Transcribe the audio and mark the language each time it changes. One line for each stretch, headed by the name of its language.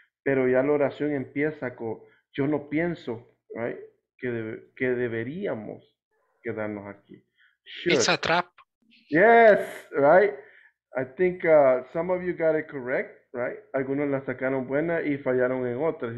Spanish: Pero ya la oración empieza con yo no pienso, right, que deberíamos quedarnos aquí.
English: Should. It's a trap. Yes. Right. I think some of you got it correct. Right.
Spanish: Algunos la sacaron buena y fallaron en otras.